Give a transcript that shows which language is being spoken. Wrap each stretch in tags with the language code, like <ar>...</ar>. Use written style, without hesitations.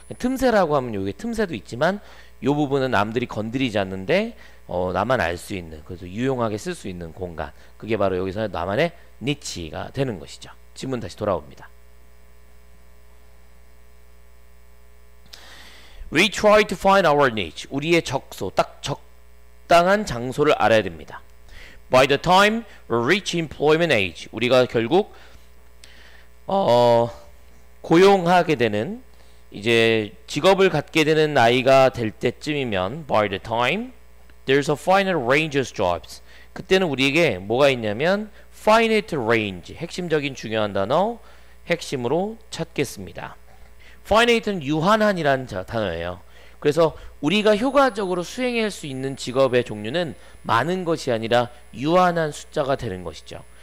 <ko>틈새라고 하면 요게 틈새도 있지만 요 부분은 남들이 건드리지 않는데 나만 알 수 있는 그래서 유용하게 쓸 수 있는 공간 그게 바로 여기서 나만의 니치가 되는 것이죠. 질문 다시 돌아옵니다.</ko> <en>We try to find our niche.</en> <ko>우리의 적소, 딱 적당한 장소를 알아야 됩니다.</ko> <en>By the time we reach employment age,</en> <ko>우리가 결국 고용하게 되는 이제 직업을 갖게 되는 나이가 될 때쯤이면</ko> <en>by the time there's a finite range of jobs.</en> <ko>그때는 우리에게 뭐가 있냐면 finite range, 핵심적인 중요한 단어 핵심으로 찾겠습니다. Finite는 유한한이라는 단어예요. 그래서 우리가 효과적으로 수행할 수 있는 직업의 종류는 많은 것이 아니라 유한한 숫자가 되는 것이죠.</ko>